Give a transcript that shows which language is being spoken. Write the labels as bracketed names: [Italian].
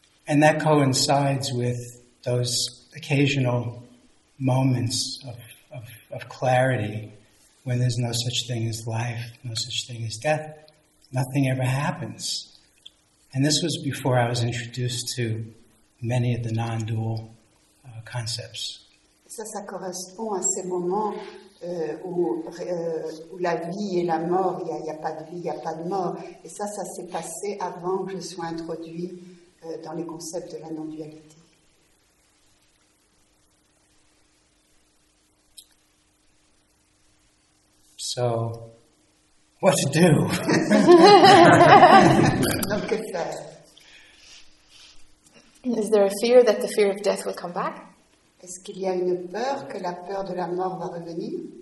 [English] And that coincides with those occasional moments of clarity when there's no such thing as life, no such thing as death. Nothing ever happens. And this was before I was introduced to many of the non-dual concepts. [French] Ça correspond à ces moments où la vie et la mort, il n'y a pas de vie, il n'y a pas de mort. Et ça s'est passé avant que je sois introduit dans les concepts de la non-dualité. [English] So, what to do? [French] Donc, que faire? [English] Is there a fear that the fear of death will come back? [French] Est-ce qu'il y a une peur que la peur de la mort va revenir?